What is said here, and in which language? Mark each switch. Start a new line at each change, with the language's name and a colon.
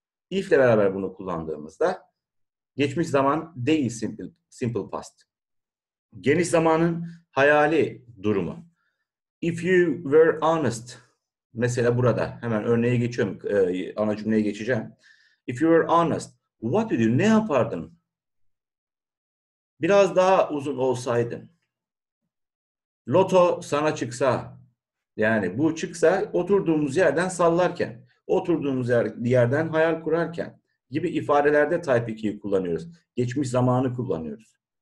Turkish: If ile beraber bunu kullandığımızda geçmiş zaman değil simple past. Geniş zamanın hayali durumu.
English: If you were honest,
Turkish: mesela burada hemen örneğe geçiyorum, ana cümleye geçeceğim.
English: If you were honest, what would you,
Turkish: ne yapardın? Biraz daha uzun olsaydın. Loto sana çıksa, yani bu çıksa oturduğumuz yerden sallarken, oturduğumuz yerden hayal kurarken gibi ifadelerde type 2'yi kullanıyoruz. Geçmiş zamanı kullanıyoruz.